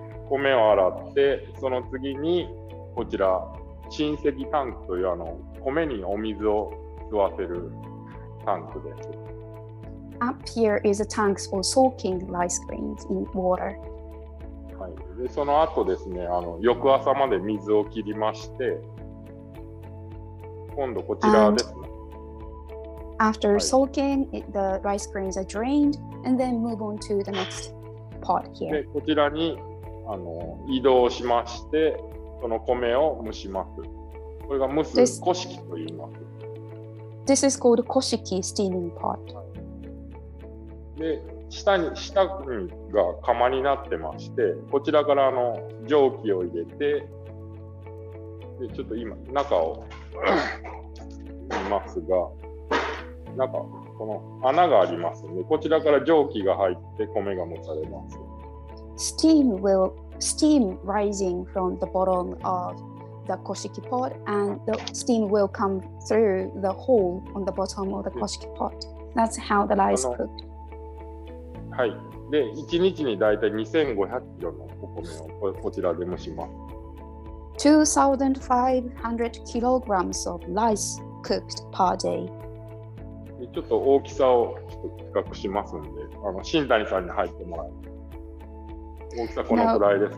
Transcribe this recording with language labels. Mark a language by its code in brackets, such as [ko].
[ja] 米を洗って、その次にこちら、沈積タンクというあの米にお水を吸わせるタンクです。 [en] Up here is a tank for soaking rice grains in water. [ja] はい。で、その後ですね、あの翌朝まで水を切りまして、今度こちらですね。 [en] After soaking, it, the rice grains are drained, and then move on to the next pot here. [ja] で、こちらにあの移動しまして、その米を蒸します。これが蒸す古式と言います。 [en] This is called 古式 steaming pot. [ja] で、下が釜になってまして、こちらからあの蒸気を入れて、でちょっと今中を見ますが、なんかこの穴がありますので、こちらから蒸気が入って米が蒸されます。 [en] Steam will steam rising from the bottom of the koshiki pot, and the steam will come through the hole on the bottom of the koshiki pot. That's how the rice cooked. [ja] はい。で、1日にだいたい2500キロのお米をこちらで蒸します。 [en] 2500 kilograms of rice cooked per day. [ja] ちょっと大きさをちょっと比較しますんで、あの新谷さんに入ってもらいます。大きさこのくらいです。